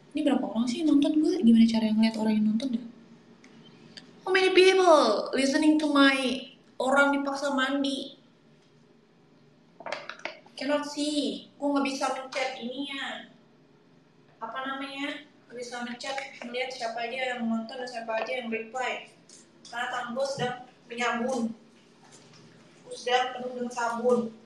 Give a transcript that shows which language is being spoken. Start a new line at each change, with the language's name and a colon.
Indonesian: Ini berapa orang sih yang nonton gue? Gimana cara yang ngeliat orang yang nonton deh?
English: How many people listening to my
Indonesian: orang dipaksa mandi?
English: Cannot see.
Indonesian: Gue gak bisa mencet ininya. Apa namanya? Gak bisa mencet melihat siapa aja yang nonton dan siapa aja yang reply. Karena tangan gue sedang menyabun. Gue sedang penuh dengan sabun.